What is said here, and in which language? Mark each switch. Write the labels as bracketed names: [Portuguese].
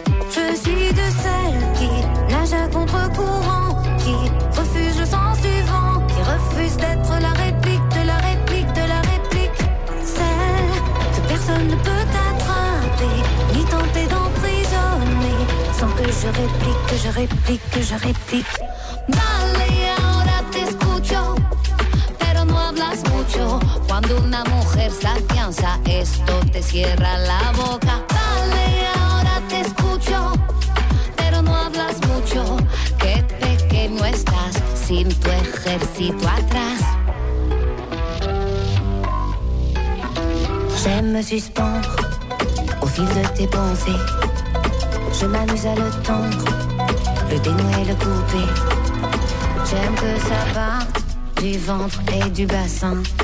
[French] Je suis de celles qui nagent à contre-courant, qui refuse le sens du vent, qui refuse d'être la réplique de la réplique de la réplique. Celle que personne ne peut attraper, ni tenter d'emprisonner, sans que je réponde. réplique, que je réplique, que je réplique. [Spanish] Vale, ahora te escucho, pero no hablas mucho. Cuando una mujer se afianza, esto te cierra la boca. Vale, ahora te escucho, pero no hablas mucho. Qué pequeño estás sin tu ejército atrás. [French] J'aime suspendre au fil de tes pensées. Je m'amuse à le tendre, le dénouer, le couper. J'aime que ça parte du ventre et du bassin.